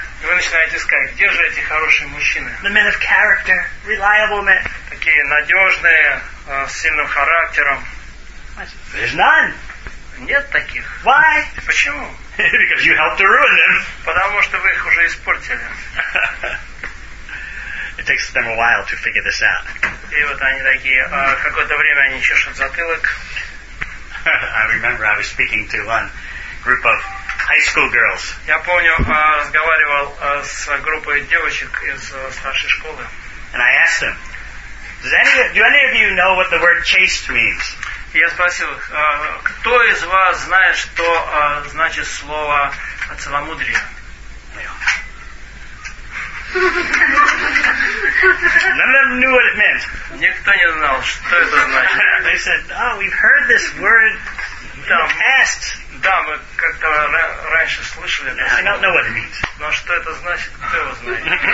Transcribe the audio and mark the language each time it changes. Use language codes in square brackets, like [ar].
[ru] И вы начинаете искать, где же эти хорошие мужчины? [en] The men of character, reliable men. [ru] Такие надежные, с сильным характером. [en] There's none. [ru] Нет таких. [en] Why? [ru] Почему? [en] Because you helped to ruin them. [ru] Потому что вы их уже испортили. [en] It takes them a while to figure this out. [ru] И вот они такие, какое-то время они чешут затылок. [en] I remember I was speaking to one group of high school girls. [ru] Я помню, разговаривал с группой девочек из старшей школы. [en] And I asked them, does do any of you know what the word chaste means? [ru] Я спросил, кто из вас знает, что значит слово целомудрие? [en] None of them knew what it meant. [ru] Никто не знал, что это значит. [en] They said, "Oh, we've heard this word in the past." [ru] Да, мы как-то раньше слышали. Это слово. [en] I don't know what it means. [ru] Но что это значит, кто его знает?